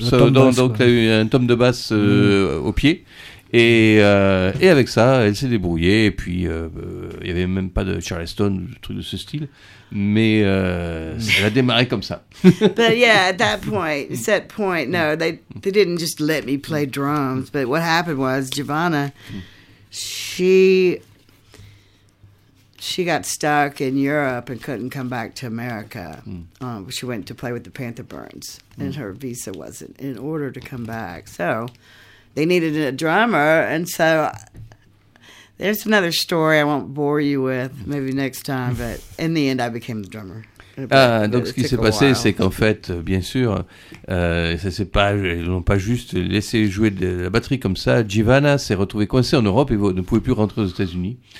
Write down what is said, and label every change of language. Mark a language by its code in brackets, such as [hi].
[fr] So, donc, il y a eu un tom de basse au pied. Et avec ça, elle s'est débrouillée. Et puis, il n'y avait même pas de Charleston, de trucs de ce style. Mais elle a démarré comme ça. [en] But yeah, at that point, set point, no, they didn't just let me play drums. But what happened was, Giovanna, she got stuck in Europe and couldn't come back to America. She went to play with the Panther Burns, and her visa wasn't in order to come back. So they needed a drummer, and so there's another story I won't bore you with, maybe next time, but in the end, I became the drummer. [fr] Ah, donc ce qui s'est passé, c'est qu'en fait, bien sûr, ils n'ont pas juste laissé jouer de la batterie comme ça. Giovanna s'est retrouvée coincée en Europe et ne pouvait plus rentrer aux États-Unis.